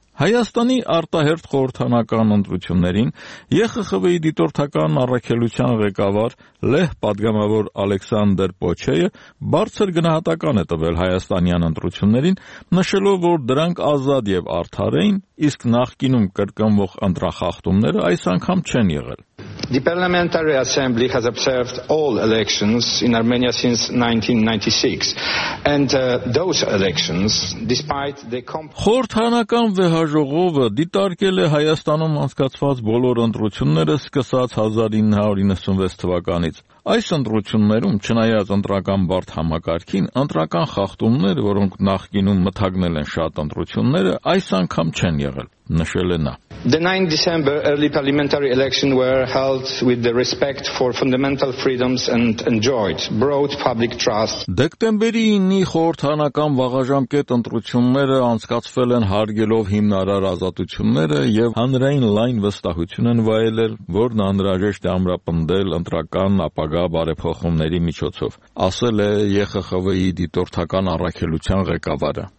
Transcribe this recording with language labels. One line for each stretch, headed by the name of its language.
Armenian: Հայաստանի արտահերթ խորհրդանական ընտրություններին ԵԽԽՎ-ի դիտորդական առաքելության ղեկավար Լեհ պատգամավոր Ալեքսանդր Պոչեյը բարձր գնահատական է տվել հայաստանյան ընտրություններին, նշելով, որ դրանք ազատ և արդար էին, իսկ նախկինում կրկնվող ընտրախախտումները այս անգամ չեն եղել։
English: The Parliamentary Assembly has observed all elections in Armenia since 1996, and those elections, despite the
Armenian: Խորհրդանական վեհաժողովը դիտարկել է Հայաստանում անցկացված բոլոր ընտրությունները սկսած 1996 թվականից. Այս ընտրություններում, չնայած ընտրական բարդ համակարգին, ընտրական խախտումներ, որոնք նախկինում մթագնել են շատ ընտրությունները, այս անգամ չեն եղել, նշել է նա։
English: The 9 December early parliamentary elections were held with the respect for fundamental freedoms and enjoyed broad public trust.
Armenian: Դեկտեմբերի 9-ի խորհրդանական վաղաժամկետ ընտրությունները անցկացվել են հարգելով հիմնարար ազատությունները եւ հանրային լայն վստահություն են վայելել, որն անհրաժեշտ է ամրապնդել ընտրական ապագա բարեփոխումների միջոցով, ասել է ԵԽԽՎ-ի դիտորդական առաքելության ղեկավարը։